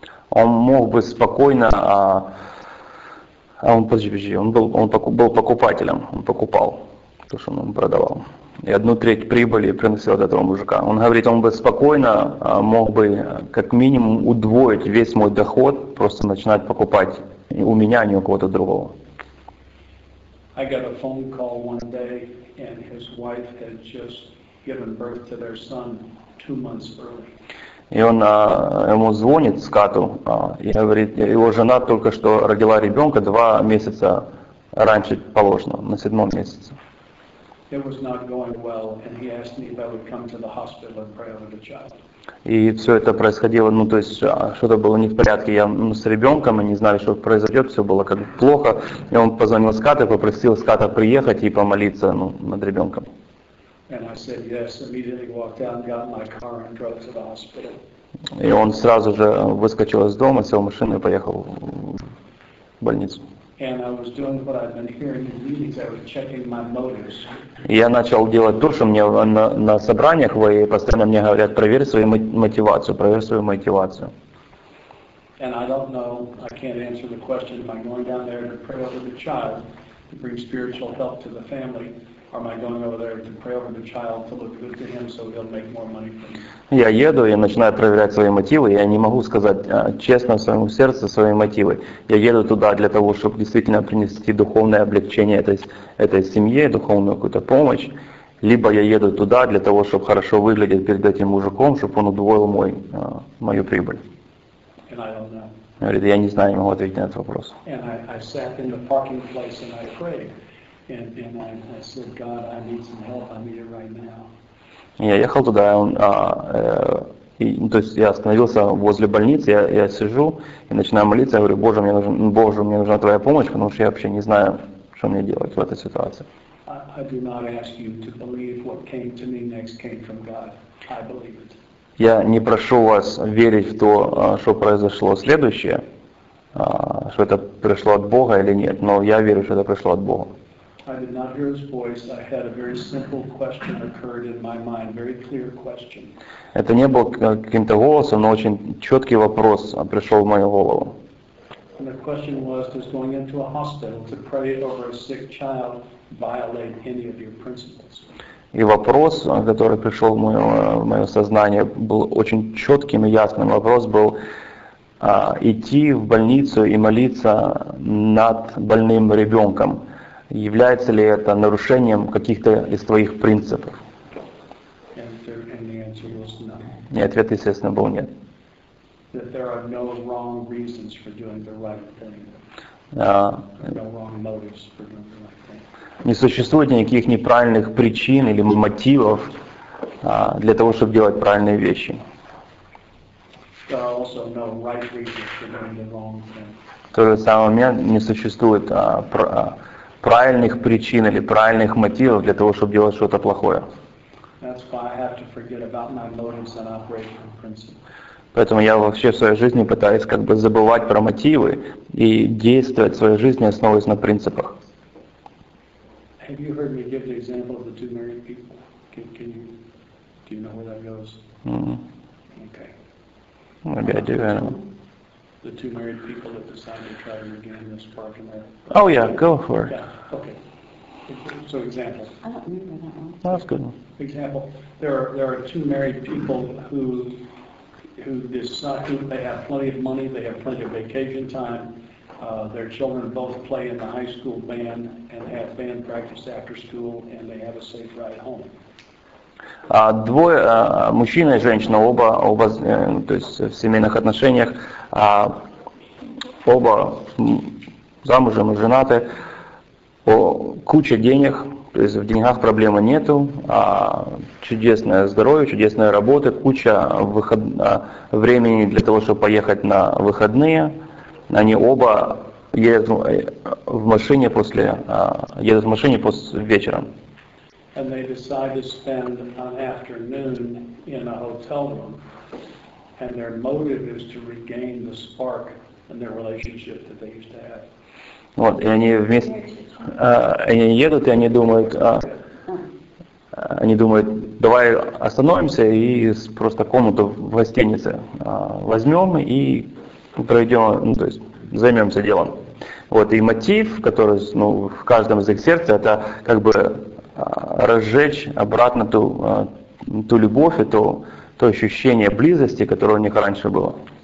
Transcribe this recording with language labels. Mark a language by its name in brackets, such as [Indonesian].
[Russian] Он мог бы спокойно, он был покупателем, он покупал. То, что он ему продавал. И 1/3 прибыли приносил от этого мужика. Он говорит, он бы спокойно мог бы как минимум удвоить весь мой доход, просто начинать покупать у меня, а не у кого-то другого. [English] I got a phone call one day, and his wife had just given birth to their son 2 months early. [Russian] И он ему звонит с Кату, и говорит, его жена только что родила ребенка 2 месяца раньше положено, на 7-м месяце. [English] It was not going well, and he asked me if I would come to the hospital and pray over the child. [Russian] И все это происходило, то есть что-то было не в порядке. Я с ребенком, они знали, что произойдет, все было как плохо. И он позвонил Скату, попросил Ската приехать и помолиться над ребенком. [English] And I said yes. Immediately walked out, got my car, and drove to the hospital. [Russian] И он сразу же выскочил из дома, сел в машину и поехал в больницу. [English] And I was doing what I've been hearing in meetings. I was checking my motives. [Russian] Я начал делать то, что мне на собраниях вы постоянно мне говорят, проверь свою мотивацию, проверь свою мотивацию. [English] And I don't know. I can't answer the question. Am I going down there to pray over the child to bring spiritual help to the family? Or am I going over there to pray over the child to look good to him so he'll make more money for me? [Russian] Я еду, я начинаю проверять свои мотивы, я не могу сказать честно своему сердцу свои мотивы. Я еду туда для того, чтобы действительно принести духовное облегчение этой семье, духовную какую-то помощь. Либо я еду туда для того, чтобы хорошо выглядеть перед этим мужиком, чтобы он удвоил мою прибыль. [English] And I don't know. [Russian] Говорит, я не знаю, не могу ответить на этот вопрос. [English] And I sat in the parking place and I prayed. And I said, God, I need some help. I need it right now. [Russian] Я ехал туда, то есть я остановился возле больницы, я сижу и начинаю молиться. Я говорю, Боже, мне нужна твоя помощь, потому что я вообще не знаю, что мне делать в этой ситуации. [English] I do not ask you to believe what came to me next came from God. I believe it. [Russian] Я не прошу вас верить в то, что произошло следующее, что это пришло от Бога или нет, но я верю, что это пришло от Бога. [English] I did not hear his voice. I had a very simple question occurred in my mind, very clear question. [Russian] Это не был каким-то голосом, но очень четкий вопрос пришел в мою голову. [English] And the question was, does going into a hospital to pray over a sick child violate any of your principles? [Russian] И вопрос, который пришел в мое сознание, был очень четким и ясным. Вопрос был, идти в больницу и молиться над больным ребенком. Является ли это нарушением каких-то из твоих принципов? [English] No. [Russian] И ответ, естественно, был нет. [English] That there are no wrong reasons for doing the right thing. No wrong motives for doing the right thing. [Russian] Не существует никаких неправильных причин или мотивов для того, чтобы делать правильные вещи. [English] Also no right reasons for doing the wrong thing. [Russian] В тот же самый момент не существует правильных причин или правильных мотивов для того, чтобы делать что-то плохое. [English] That's why I have to forget about my motives and operational principles. [Russian] Поэтому я вообще в своей жизни пытаюсь как бы забывать про мотивы и действовать в своей жизни, основываясь на принципах. [English] Have you heard me give the example of the two married people? Do you know where that goes? Mm-hmm. Okay. Maybe I do, I don't know. The two married people that decided to try to regain this parking lot. Oh yeah, go for it. Yeah, okay. So example. I don't remember that one. That's good. Example. There are two married people who decide they have plenty of money, they have plenty of vacation time. Their children both play in the high school band and have band practice after school, and they have a safe ride home. [Russian] Двое, мужчина и женщина, оба, то есть в семейных отношениях, оба замужем и женаты. Куча денег, то есть в деньгах проблемы нету, чудесное здоровье, чудесная работа, куча времени для того, чтобы поехать на выходные. Они оба едут в машине после вечером. [English] And they decide to spend an afternoon in a hotel room, and their motive is to regain the spark in their relationship that they used to have. [Russian] Вот, и они вместе едут, и они думают, давай остановимся и просто комнату в гостинице возьмем и пройдем, то есть займемся делом. Вот, и мотив, который в каждом из их сердца, это как бы разжечь обратно ту любовь и то ощущение близости, которое у них раньше было.